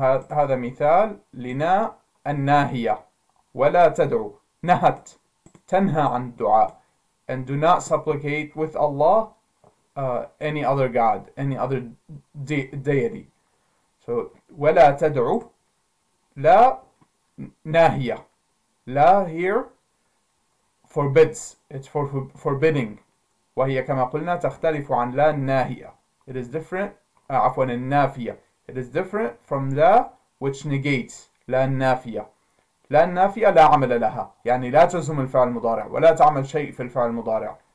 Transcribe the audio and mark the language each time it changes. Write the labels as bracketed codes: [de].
[ar] هذا مثال لنا الناهية، ولا تدعو، نهت تنهى عن الدعاء [en] and do not supplicate with Allah any other god, any other deity. [ar] So ولا تدعو لا ناهية. [en] لا here forbids, it's for forbidding. [ar] وهي كما قلنا تختلف عن لا الناهية. [en] It is different, [ar] عفوا النافية. [en] It is different from la which negates, la النافية. [ar] La النافية لا عمل لها. يعني لا تزم الفعل المضارع ولا تعمل شيء في الفعل المضارع.